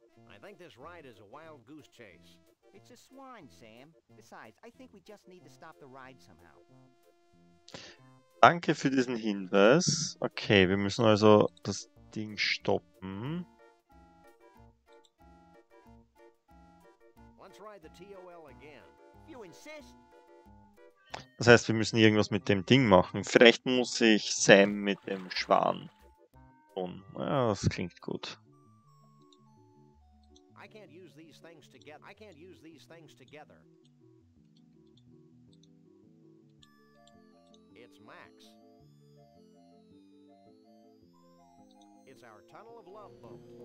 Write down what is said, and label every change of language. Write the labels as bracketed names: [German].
[English] I think this ride is a wild goose chase. It's a swine, Sam. Besides, I think we just need to stop the ride somehow. [German] Danke für diesen Hinweis. Okay, wir müssen also das Ding stoppen. [English] Let's ride the TOL again. You insist. [German] Das heißt, wir müssen irgendwas mit dem Ding machen. Vielleicht muss ich Sam mit dem Schwan. Und, ja, das klingt gut. [English] I can't use these things together. I can't use these things together. It's Max. It's our Tunnel of Love boat.